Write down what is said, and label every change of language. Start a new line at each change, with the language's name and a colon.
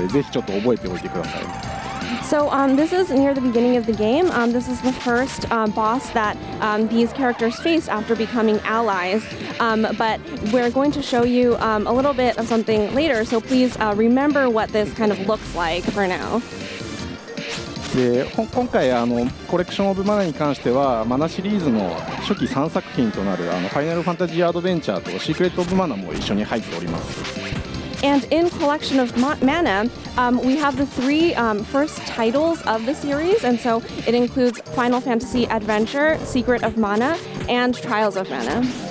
Japanese: これは最初3人が仲間になった時に初めて戦うフルメタルハガーというボスなんですが、この後リメイク版でも比較できると思うので、ぜひちょっと覚えておいてください。
English: So this is near the beginning of the game. This is the first boss that these characters face after becoming allies. But we're going to show you a little bit of something later, so please remember what this kind of looks like for now.
Japanese: で、今回コレクションオブマナに関しては、マナシリーズの初期3作品となるファイナルファンタジーアドベンチャーとシークレットオブマナも一緒に入っております。
English: And in Collection of Mana, we have the three first titles of the series, and so it includes Final Fantasy Adventure, Secret of Mana, and Trials of Mana.